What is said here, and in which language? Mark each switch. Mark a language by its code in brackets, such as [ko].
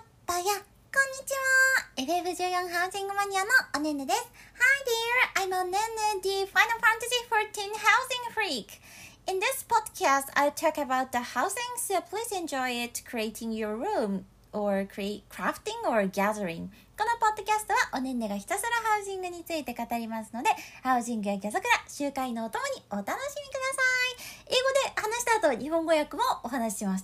[ja] 14ハウジングマニアのおねねです。 [en] Hi dear, I'm Onene, the Final Fantasy 14 housing freak. In this podcast, I'll talk about the housing, so please enjoy it, creating your room or crafting or gathering. [ja] このポッドキャストはおねねがひたすらハウジングについて語りますので、ハウジングやギャザクラ、周回のお供にお楽しみください。英語で話した後、日本語訳もお話しします。